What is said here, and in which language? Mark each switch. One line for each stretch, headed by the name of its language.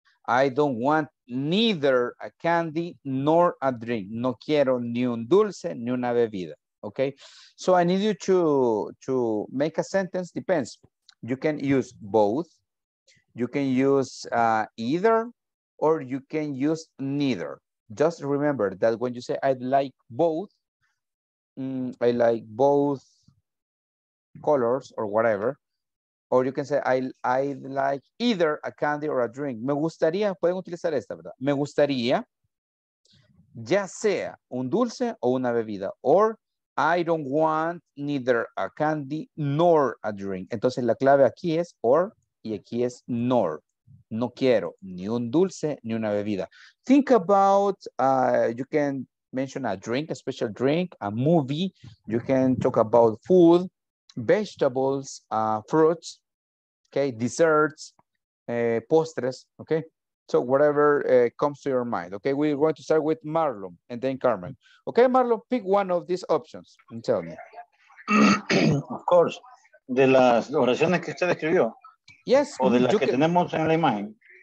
English: I don't want neither a candy nor a drink.
Spanish: No quiero ni un dulce ni una bebida.
English: Okay? So I need you to make a sentence. Depends. You can use both. You can use either or you can use neither. Just remember that when you say I'd like both, I like both colors or whatever. Or you can say, I'd like either a candy or a drink.
Spanish: Me gustaría, pueden utilizar esta, ¿verdad? Me gustaría, ya sea un dulce o una bebida.
English: Or, I don't want neither a candy nor a drink.
Spanish: Entonces, la clave aquí es or, y aquí es nor. No quiero ni un dulce ni una bebida.
English: Think about, you can mention a drink, a special drink, a movie. You can talk about food. Vegetables, fruits, okay, desserts, postres, okay. So whatever comes to your mind, okay. We're going to start with Marlon and then Carmen. Okay, Marlon, pick one of these options and tell me. Of course,
Spanish: de las oraciones que usted escribió.
English: Yes.
Spanish: O de las que tenemos en la imagen.